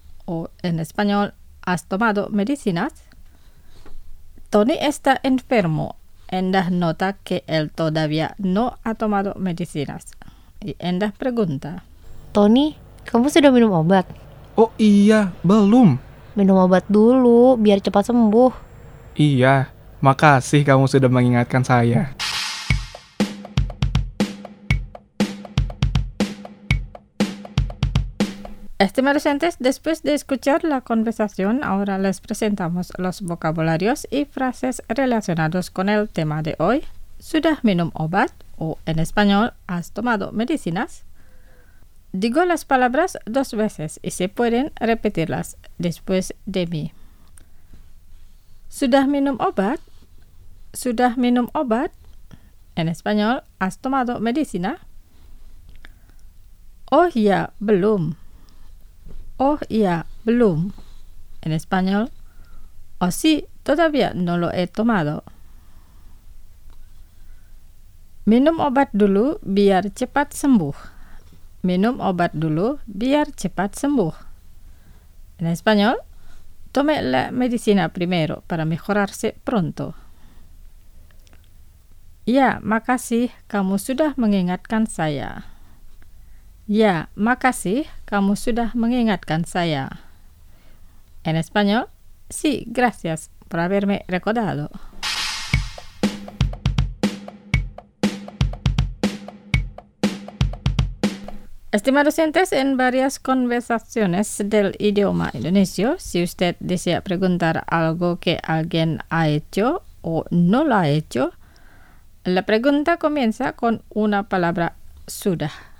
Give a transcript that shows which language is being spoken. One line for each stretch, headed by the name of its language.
Spanish: O en español, ¿has tomado medicinas? Tony está enfermo. Endah nota que él todavía no ha tomado medicinas. Y Endah pregunta.
Indonesian: Tony,
Spanish: ¿cómo
Indonesian: sudah minum obat? Oh iya, belum. Minum obat dulu, biar cepat sembuh. Iya, makasih kamu sudah mengingatkan saya.
Spanish: Estimados oyentes, después de escuchar la conversación, ahora les presentamos los vocabularios y frases relacionados con el tema de hoy.
Indonesian: ¿Sudah minum obat?
Spanish: O en español, ¿has tomado medicinas? Digo las palabras dos veces y se pueden repetirlas después de mí.
Indonesian: ¿Sudah minum obat? ¿Sudah minum obat?
Spanish: En español, ¿has tomado medicina?
Indonesian: Oh ya, belum. Oh ya, belum.
Spanish: En español, oh sí, todavía no lo he tomado.
Indonesian: Minum obat dulu biar cepat sembuh. Minum obat dulu biar cepat sembuh.
Spanish: En español, tome la medicina primero para mejorarse pronto.
Indonesian: Ya, makasih kamu sudah mengingatkan saya. Ya, makasih kamu sudah mengingatkan saya.
Spanish: En español, sí, gracias por haberme recordado. Estimados oyentes, en varias conversaciones del idioma indonesio, si usted desea preguntar algo que alguien ha hecho o no lo ha hecho, la pregunta comienza con una palabra sudah.